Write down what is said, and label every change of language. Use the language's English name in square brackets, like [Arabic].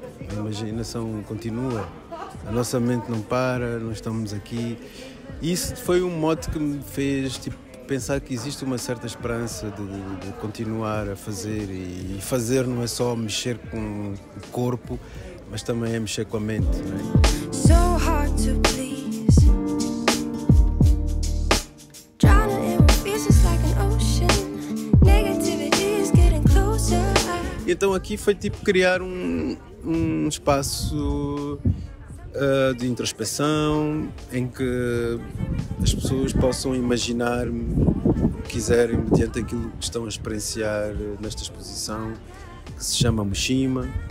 [Portuguese] A imaginação continua. A nossa mente não para, nós estamos aqui. E isso foi um mote que me fez, tipo, pensar que existe uma certa esperança de continuar a fazer, e fazer não é só mexer com o corpo, mas também é mexer com a mente, né? [English] So hard to please. Drowning in pieces like an ocean. Negativity is getting closer. [Portuguese] Então aqui foi tipo criar um espaço de introspeção em que as pessoas possam imaginar-me o que quiserem mediante aquilo que estão a experienciar nesta exposição, que se chama Mushima.